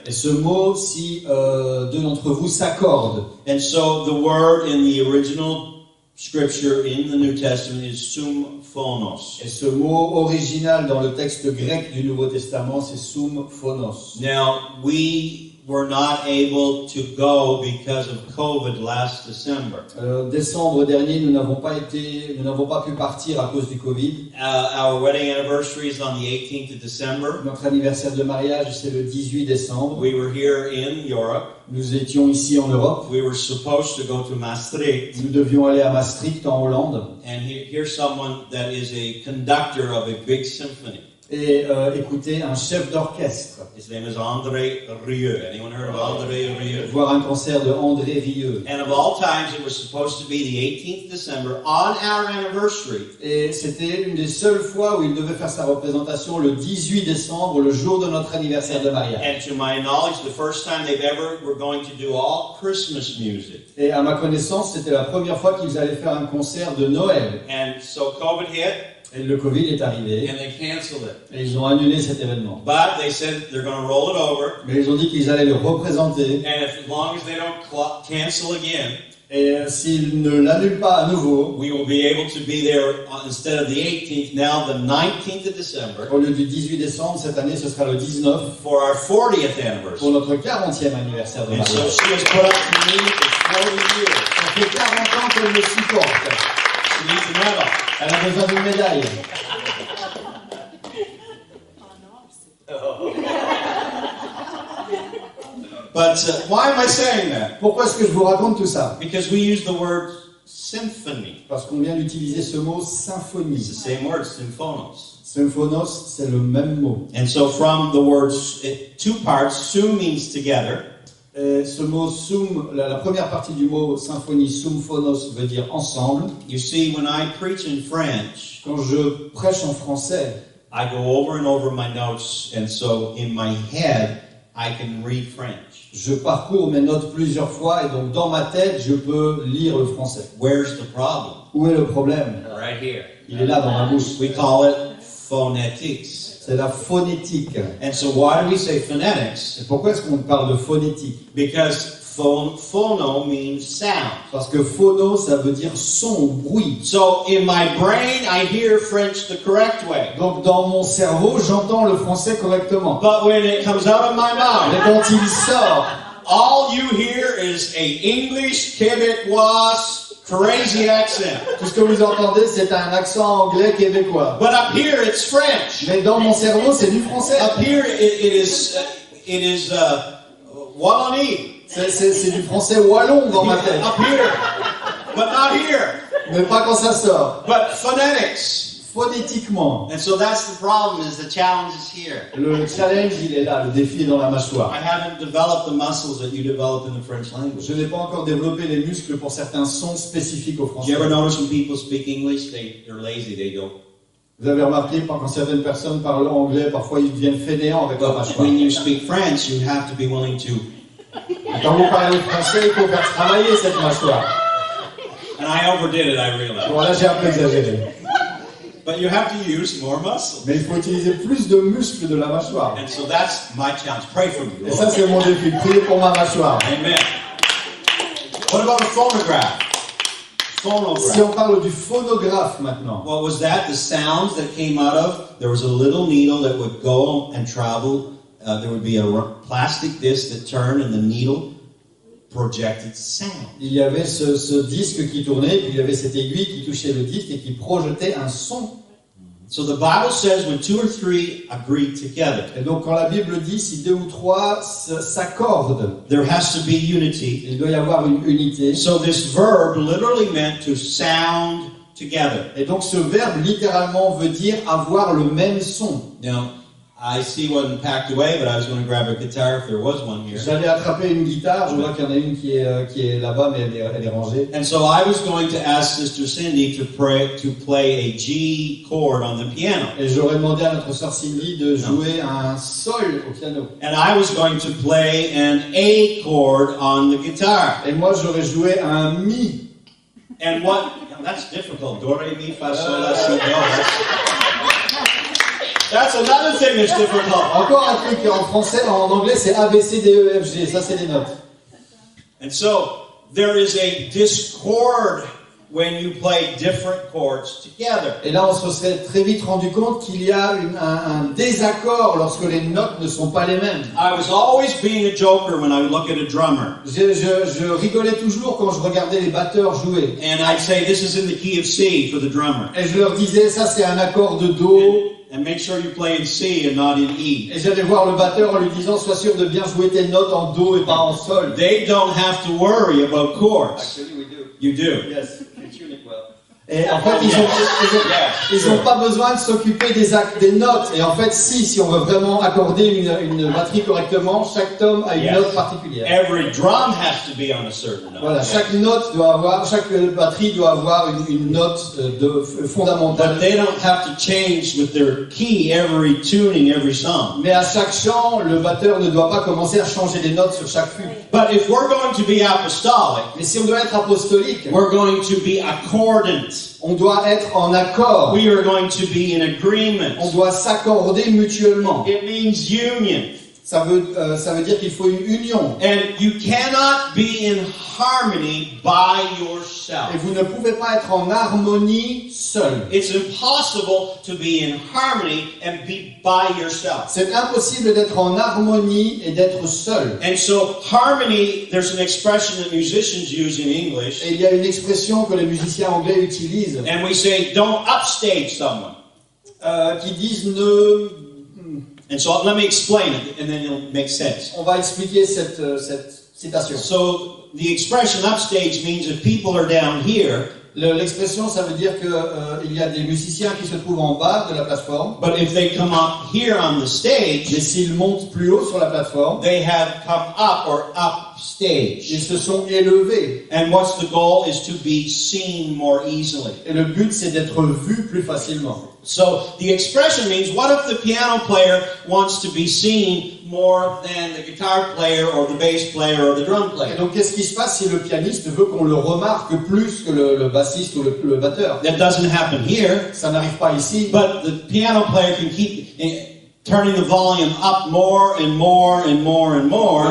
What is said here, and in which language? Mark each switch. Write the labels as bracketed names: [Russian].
[French] Et ce mot, si deux d'entre vous s'accordent. [English] And so, the word in the original scripture in the New Testament is sum phonos. [French] Et ce mot original dans le texte grec du Nouveau Testament, c'est sum phonos. [English] Now, we were not able to go because of COVID last December. [French] Décembre dernier, nous n'avons pas pu partir à cause du COVID. [English] Our wedding anniversary is on the 18th of December. [French] Notre anniversaire de mariage, c'est le 18 décembre. [English] We were here in Europe. [French] Nous étions ici en Europe. [English] We were supposed to go to Maastricht. [French] Nous devions aller à Maastricht en Hollande. [English] And here's someone that is a conductor of a big symphony. [French] Et écouter un chef d'orchestre. [English] His name is André Rieu. Anyone heard of André Rieu? [French] Voir un concert de André Rieu. [English] And of all times, it was supposed to be the 18th of December on our anniversary. [French] Et c'était une des seules fois où il devait faire sa représentation le 18 décembre, le jour de notre anniversaire de mariage. [English] And to my knowledge, the first time they've ever were going to do all Christmas music. [French] Et à ma connaissance, c'était la première fois qu'ils allaient faire un concert de Noël. [English] And so COVID hit. [French] Et le COVID est arrivé. [English] And they canceled it. [French] Et ils ont annulé cet événement. [English] But they said they're going to roll it over. [French] Mais ils ont dit qu'ils allaient le représenter. [English] And as long as they don't cancel again. [French] Et s'ils ne l'annulent pas à nouveau. [English] We will be able to be there instead of the 18th, now the 19th of December. [French] Au lieu du 18 décembre, cette année, ce sera le 19. [English] For our 40th anniversary. [French] Pour notre 40e anniversaire de mariage. [English] And so she has put up with me for 40 years. [French] Ça fait 40 ans qu'elle me supporte. [English] She needs a medal. [French] Elle a besoin d'une médaille. [English] But why am I saying that? [French] Pourquoi est-ce que je vous raconte tout ça? [English] Because we use the word symphony. [French] Parce qu'on vient d'utiliser ce mot symphonie. [English] It's the same word, symphonos. [French] Symphonos, c'est le même mot. [English] And so from the word two parts, sum means together. [French] Et ce mot sum, la première partie du mot symphonie, sum phonos, veut dire ensemble. [English] You see, when I preach in French, [French] quand je prêche en français, [English] I go over and over my notes, and so in my head, I can read French. [French] Je parcours mes notes plusieurs fois, et donc dans ma tête, je peux lire le français. [English] Where's the problem? [French] Où est le problème? [English] Right here. [French] Il est là dans ma bouche. [English] We call it phonetics. [French] C'est la phonétique. [English] And so why do we say phonetics? [French] Et pourquoi est-ce qu'on parle de phonétique? [English] Because phono means sound. [French] Parce que phono, ça veut dire son, bruit. [English] So in my brain, I hear French the correct way. [French] Donc dans mon cerveau, j'entends le français correctement. [English] But when it comes out of my mouth, [French] et quand il sort, [English] all you hear is a English Québécois crazy accent. [French] Tout ce que vous entendez, c'est un accent anglais québécois. [English] But up here, it's French. [French] Mais dans mon cerveau, c'est du français. [English] Up here, it is Wallonie. [French] C'est du français wallon dans ma tête. [English] Up here, but not here. [French] Mais pas quand ça sort. [English] But phonetics. [French] Phonétiquement. [English] And so that's the problem, is the challenge is here. [French] Le challenge, il est là, le défi est dans la mâchoire. [English] I haven't developed the muscles that you develop in the French language. [French] Je n'ai pas encore développé les muscles pour certains sons spécifiques au français. [English] You ever notice when people speak English, they're lazy, they don't. [French] Vous avez remarqué quand certaines personnes parlent anglais, parfois ils deviennent fainéants avec leur mâchoire. [English] When you speak French, you have to be willing to. [French] Et quand vous parlez français, il faut faire travailler cette mâchoire. [English] And I overdid it, I realized. [French] Voilà, j'ai un peu exagéré. [English] But you have to use more muscles. [French] Mais il faut utiliser plus de muscles de la mâchoire. [English] And so that's my challenge. Pray for me. [French] Et ça, c'est mon défi. Priez pour ma mâchoire. [English] Amen. What about a phonograph? Phonograph. [French] Si on parle du phonographe maintenant. [English] What was that? The sounds that came out of, there was a little needle that would go and travel. There would be a plastic disc that turned and the needle projected sound. [French] Il y avait ce disque qui tournait, puis il y avait cette aiguille qui touchait le disque et qui projetait un son. Mm-hmm. [English] So the Bible says when two or three agree together. [French] Et donc quand la Bible dit si deux ou trois s'accordent, [English] there has to be unity. [French] Il doit y avoir une unité. [English] So this verb literally meant to sound together. [French] Et donc ce verbe littéralement veut dire avoir le même son. [English] Now, I see one packed away, but I was going to grab a guitar if there was one here. [French] J'allais attraper une guitare. Je vois qu'il y en a une qui est là-bas, mais elle est rangée. [English] And so I was going to ask Sister Cindy to play a G chord on the piano. [French] Et j'aurais demandé à notre sœur Cindy de jouer un sol au piano. [English] And I was going to play an A chord on the guitar. [French] Et moi, j'aurais joué un mi. [English] And what? Now that's difficult. [French] Do re mi fa sol la si do. [English] That's another thing that's difficult. [French] Encore un truc en français, en anglais, c'est A, B, C, D, E, F, G. Ça, c'est des notes. [English] And so, there is a discord when you play different chords together. [French] Et là, on se serait très vite rendu compte qu'il y a un désaccord lorsque les notes ne sont pas les mêmes. [English] I was always being a joker when I would look at a drummer. [French] Je rigolais toujours quand je regardais les batteurs jouer. [English] And I'd say, this is in the key of C for the drummer. [French] Et je leur disais, ça, c'est un accord de Do. [English] And make sure you play in C and not in E. [French] Et j'allais voir le batteur en lui disant, sois sûr de bien jouer tes notes en Do et pas en Sol. [English] They don't have to worry about chords. Actually, we do. You do. Yes. [French] Et en fait, ils ont pas besoin de s'occuper des notes. Et en fait, si on veut vraiment accorder une batterie correctement, chaque tome a une note particulière. [English] Every drum has to be on a certain note. [French] Voilà, chaque batterie doit avoir une note de fondamentale. [English] But they don't have to change with their key every tuning, every song. [French] Mais à chaque chant, le batteur ne doit pas commencer à changer les notes sur chaque fugue. [English] But if we're going to be apostolic, [French] mais si on doit être apostolique, [English] we're going to be accordant. [French] On doit être en accord. [English] We are going to be in agreement. [French] On doit s'accorder mutuellement. [English] It means union. [French] Ça veut dire qu'il faut une union. [English] And you cannot be in harmony by yourself. [French] Et vous ne pouvez pas être en harmonie seul. [English] It's impossible to be in harmony and be by yourself. [French] C'est impossible d'être en harmonie et d'être seul. [English] And so harmony, there's an expression that musicians use in English. [French] Et il y a une expression que les musiciens anglais utilisent. [English] And we say, don't upstage someone. [French] Qui disent ne. [English] And so let me explain it, and then it'll make sense. [French] On va expliquer cette citation. [English] So the expression upstage means if people are down here. [French] L'expression, ça veut dire qu'il y a des musiciens qui se trouvent en bas de la plateforme. [English] But if they come up here on the stage, [French] mais s'ils montent plus haut sur la plateforme, [English] they have come up or upstage. [French] Ils se sont élevés. [English] And what's the goal is to be seen more easily. [French] Et le but, c'est d'être vu plus facilement. [English] So the expression means, what if the piano player wants to be seen more than the guitar player or the bass player or the drum player? [French] Et donc qu'est-ce qui se passe si le pianiste veut qu'on le remarque plus que le bassiste ou le batteur? [English] That doesn't happen here. [French] Ça n'arrive pas ici. [English] But the piano player can keep turning the volume up more and more and more and more.